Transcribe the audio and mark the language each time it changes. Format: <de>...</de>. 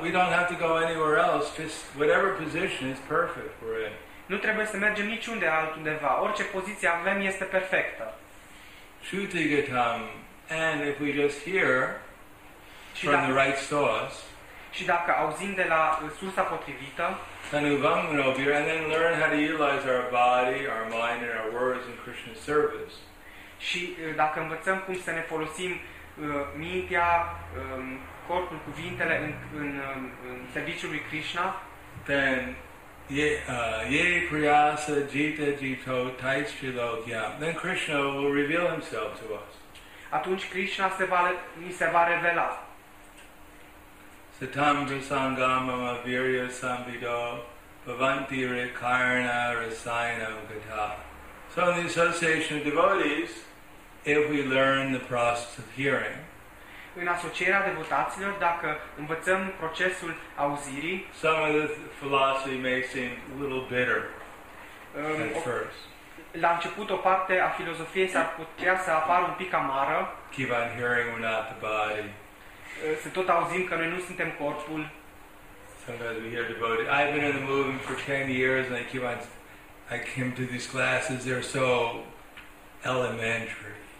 <en>We don't have to go anywhere else, just whatever position is perfect for it.</en> <ro>Nu trebuie să mergem niciunde altundeva. Orice poziție avem este perfectă.</ro> <sa>Shutigatam.</sa> <en>And if we just hear from the right source.</en> <ro>Și dacă auzim de la sursa potrivită,</ro> <en>and then learn how to utilize our body, our mind, and our words in Krishna's service.</en> <ro>Și dacă învățăm cum să ne folosim mintea, corpul, cuvintele în serviciul lui Krishna,</ro> <sa>then ye priyasa jita jito taishilokya.</sa> <en>Then Krishna will reveal himself to us.</en> <ro>Atunci Krishna se va revela.</ro> <sa>Satam prasangamam avirya sambhido bhavanti rikarana rasayanam gata.</sa> <en>So in the association of devotees, if we learn the process of hearing,</en> <ro>în asocierea devotaților, dacă învățăm procesul auzirii,</ro> <en>some of the philosophy may seem a little bitter at first.</en> <ro>La început, o parte a filozofiei s-ar putea să apară un pic amară.</ro> <en>Keep on hearing, we're not the body.</en> <ro>Să tot auzim că noi nu suntem corpul.</ro> <en>Sometimes we hear devotees. I've been in the movement for 10 years and I came to these classes, they're so elementary.</en>